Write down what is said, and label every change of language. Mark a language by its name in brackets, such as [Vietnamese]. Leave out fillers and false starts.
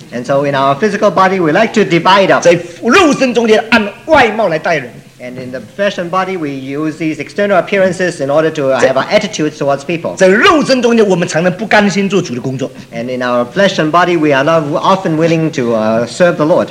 [English] And so in our physical body, we like to divide up. [Chinese] 在肉身中间按外貌来待人。 [English] And in the flesh and body, we use these external appearances in order to have our attitudes towards people. [Chinese] 在肉身中间我们常常不甘心做主的工作。 [English] And in our flesh and body, we are not often willing to serve the Lord.